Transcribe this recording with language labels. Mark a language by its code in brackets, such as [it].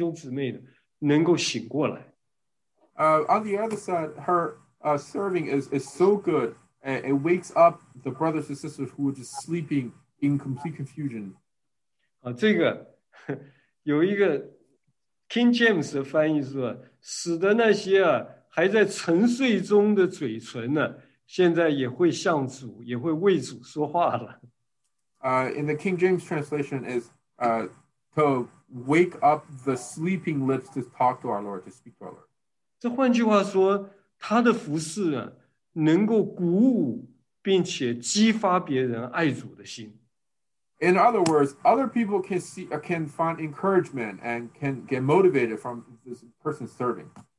[zh] 另外一面呢，她的服侍呢，叫那些本来没有心，还在黑夜中还在睡觉的糊里糊涂的弟兄姊妹呢，能够醒过来。 [en] On the other side, her serving is so good, and it wakes up the brothers and sisters who are just sleeping in complete confusion. [zh] 有一个 King James 的翻译说，使得那些还在沉睡中的嘴唇呢，现在也会向主，也会为主说话了。 [en] In the King James translation is to wake up the sleeping lips to talk to our Lord, to speak to our Lord. [zh] 这换句话说，他的服侍能够鼓舞并且激发别人爱主的心。 [en] In other words, other people can find encouragement and can get motivated from this person serving.